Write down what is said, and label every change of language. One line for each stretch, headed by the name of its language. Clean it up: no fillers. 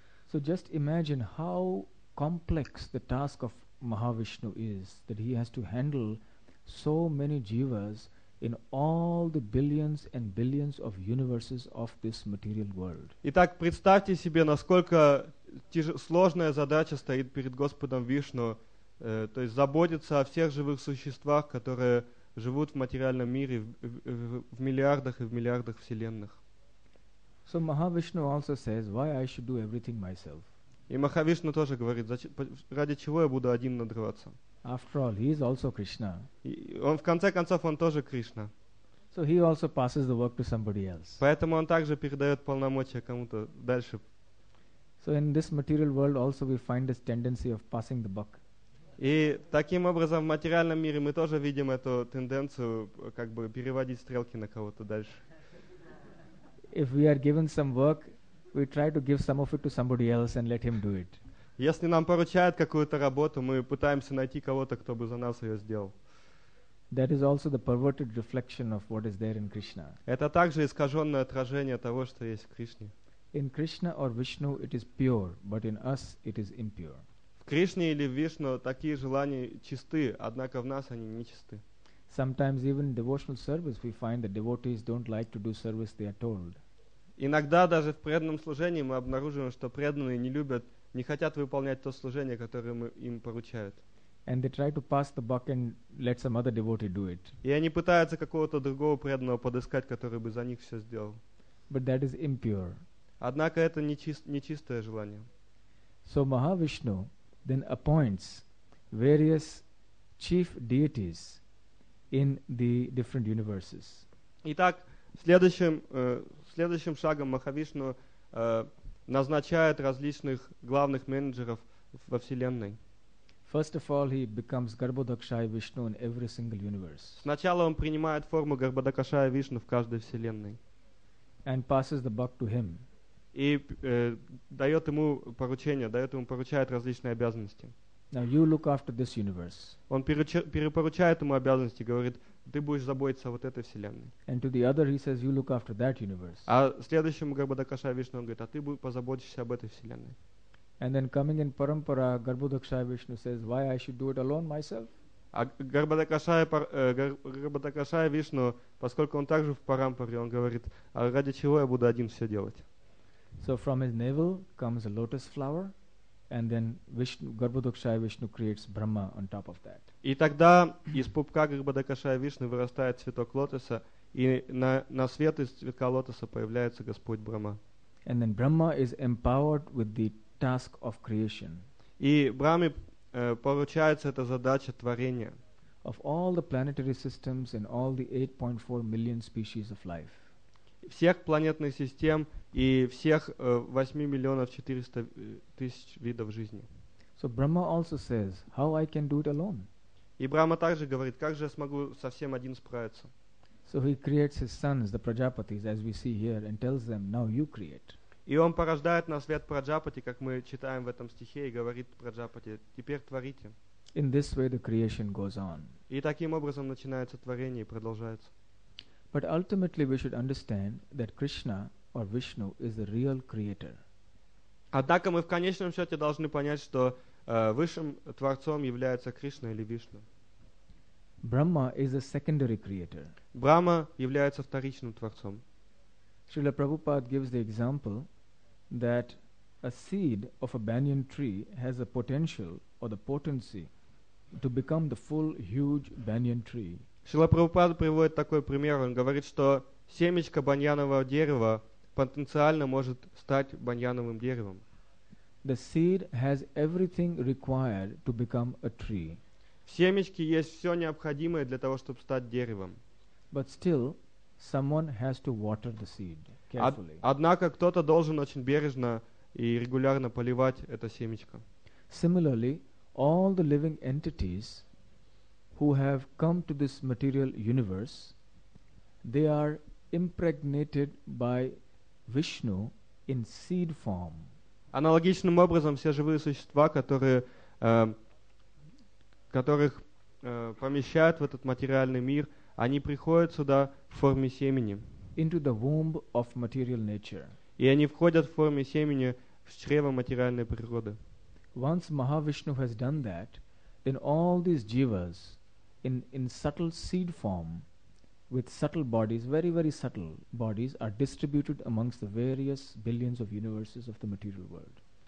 English: So just imagine how complex the task of Mahavishnu is, that he has to handle so many jivas in all the billions and billions of universes of this material world.
Russian: Итак, представьте себе, насколько сложная задача стоит перед Господом Вишну, то есть заботиться о всех живых существах, которые живут в материальном мире, в миллиардах и в миллиардах вселенных.
English: So Mahavishnu also says, why I should do everything myself?
Russian: И Махавишна тоже говорит, ради чего я буду один надрываться?
English: After all, he is also Krishna.
Russian: Он в конце концов, он тоже Кришна.
English: So he also passes the work to somebody else.
Russian: Поэтому он также передает полномочия кому-то дальше.
English: So in this material world also we find this tendency of passing the buck.
Russian: И таким образом в материальном мире мы тоже видим эту тенденцию как бы переводить стрелки на кого-то дальше.
English: If we are given some work, we try to give some of it to somebody else and let him do it.
Russian: Если нам поручают какую-то работу, мы пытаемся найти кого-то, кто бы за нас ее сделал.
English: That is also the perverted reflection of what is there in Krishna.
Russian: Это также искаженное отражение того, что есть в Кришне.
English: In Krishna or Vishnu it is pure, but in us it is impure.
Russian: В Кришне или в Вишну такие желания чисты, однако в нас они нечисты.
English: Sometimes even in devotional service we find that devotees don't like to do service they are told.
Russian: Иногда даже в преданном служении мы обнаруживаем, что преданные не любят, не хотят выполнять то служение, которое им поручают.
English: And they try to pass the buck and let some other devotee do it.
Russian: И они пытаются какого-то другого преданного подыскать, который бы за них все сделал.
English: But that is impure.
Russian: Однако это нечистое желание.
English: So Mahavishnu then appoints various chief deities in the different universes.
Russian: Итак, следующим шагом Махавишну назначает различных главных менеджеров во Вселенной.
English: First of all, he becomes Garbhodakshaya Vishnu in every single universe.
Russian: Сначала он принимает форму Гарбходакшая Вишну в каждой Вселенной.
English: And passes the buck to him.
Russian: И дает ему поручение, дает ему, поручает различные обязанности.
English: Now you look after this universe.
Russian: Он перепоручает ему обязанности, говорит, ты будешь заботиться о вот этой вселенной.
English: And to the other he says, you look after that universe.
Russian: А следующему Гарбходакшая Вишну он говорит, а ты позаботишься об этой вселенной.
English: And then coming in parampara, Гарбходакшая Вишну says, why I should do it alone myself?
Russian: А Гарбходакшая Вишну, поскольку он также в парампаре, он говорит, а ради чего я буду один все делать?
English: So from his navel comes a lotus flower, and then Garbhodakshaya Vishnu creates Brahma on top of that.
Russian: И тогда из пупка Гарбходакшая Вишну вырастает цветок лотоса, и на свет из цветка лотоса появляется Господь Брахма.
English: And then Brahma is empowered with the task of creation.
Russian: И Брахме поручается эта задача творения.
English: Of all the planetary systems and all the 8.4 million species of life.
Russian: Всех планетных систем и всех 8 миллионов 400 тысяч видов жизни.
English: So Brahma also says, how I can do it alone?
Russian: И Брахма также говорит, как же я смогу совсем один справиться?
English: So he creates his sons, the Prajapatis, as we see here, and tells them, now you create.
Russian: И он порождает на свет Праджапати, как мы читаем в этом стихе, и говорит Праджапати, теперь творите.
English: In this way the creation goes on.
Russian: И таким образом начинается творение и продолжается.
English: But ultimately we should understand that Krishna or Vishnu is the real creator.
Russian: Однако мы в конечном счете должны понять, что высшим творцом является Кришна или Вишну.
English: Brahma is a secondary creator.
Russian: Брама является вторичным творцом.
English: Srila Prabhupada gives the example that a seed of a banyan tree has a potential or the potency to become the full huge banyan tree.
Russian: Srila Prabhupada приводит такой пример. Он говорит, что семечко баньянового дерева потенциально может стать баньяновым деревом.
English: The seed has everything required to become a tree.
Russian: В семечке есть все необходимое для того, чтобы стать деревом.
English: But still, someone has to water the seed carefully.
Russian: Однако кто-то должен очень бережно и регулярно поливать это семечко.
English: Similarly, all the living entities who have come to this material universe, they are impregnated by Vishnu in seed form.
Russian: Аналогичным образом все живые существа, которых помещают в этот материальный мир, они приходят сюда в форме семени.
English: Into the womb of material nature.
Russian: И они входят в форме семени в чрево материальной природы.
English: Once Mahavishnu has done that, then all these jivas in subtle seed form with subtle bodies, very very subtle bodies, are distributed amongst the various billions of universes of the material world.